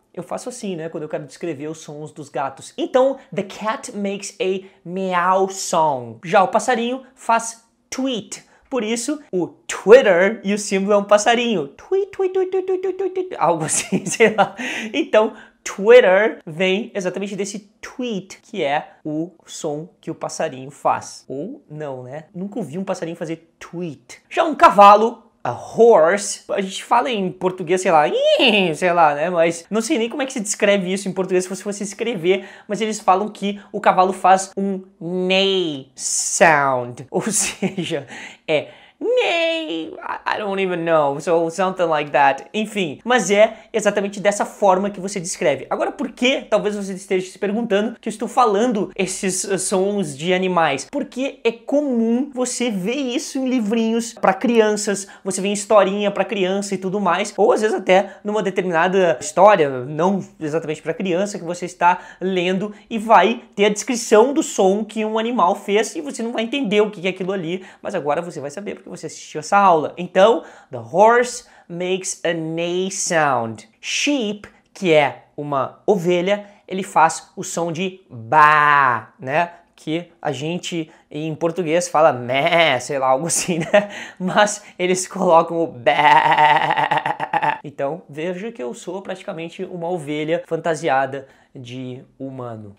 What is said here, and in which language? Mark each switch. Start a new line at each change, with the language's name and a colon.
Portuguese: Eu faço assim, né, quando eu quero descrever os sons dos gatos. Então,
English: the cat makes a meow song.
Portuguese: Já o passarinho faz tweet. Por isso, o Twitter e o símbolo é um passarinho. Tweet, tweet, tweet, tweet, tweet, tweet, tweet, tweet. Algo assim, sei lá. Então, Twitter vem exatamente desse tweet, que é o som que o passarinho faz. Ou não, né? Nunca ouvi um passarinho fazer tweet. Já um cavalo, a horse, a gente fala em português, sei lá, né? Mas não sei nem como é que se descreve isso em português, se você fosse escrever, mas eles falam que o cavalo faz um neigh sound. Ou seja, é neigh,
English: I don't even know, so something like that.
Portuguese: Enfim, mas é exatamente dessa forma que você descreve. Agora, por que, talvez você esteja se perguntando, que eu estou falando esses sons de animais? Porque é comum você ver isso em livrinhos para crianças, você vê em historinha para criança e tudo mais, ou às vezes até numa determinada história, não exatamente para criança, que você está lendo e vai ter a descrição do som que um animal fez e você não vai entender o que é aquilo ali, mas agora você vai saber, que você assistiu essa aula. Então,
English: the horse makes a neigh sound.
Portuguese: Sheep, que é uma ovelha, ele faz o som de ba, né? Que a gente, em português, fala mé, sei lá, algo assim, né? Mas eles colocam o ba. Então, veja que eu sou praticamente uma ovelha fantasiada de humano.